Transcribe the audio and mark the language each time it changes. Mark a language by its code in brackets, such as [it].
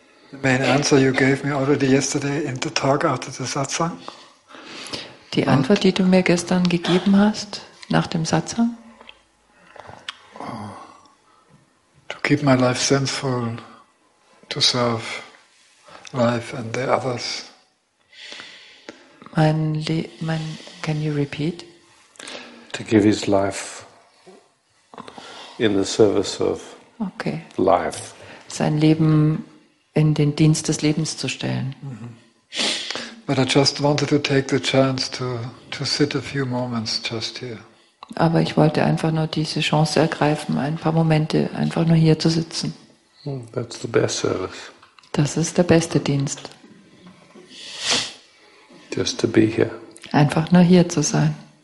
[en] The main answer you gave me already yesterday in the talk after the satsang. [de] Die Antwort, die du mir gestern gegeben hast, nach dem Satsang? [en] Oh. To keep my life sinful, to serve life and the others. Can you repeat? To give his life in the service of okay. Life. [de] Sein Leben in den Dienst des Lebens zu stellen. [en] But I just wanted to take the chance to sit a few moments just here. [de] Aber ich wollte einfach nur diese Chance ergreifen, ein paar Momente einfach nur hier zu sitzen. [en] That's the best service. [de] Das ist der beste Dienst. [en] Just to be here. [de] Einfach nur hier zu sein.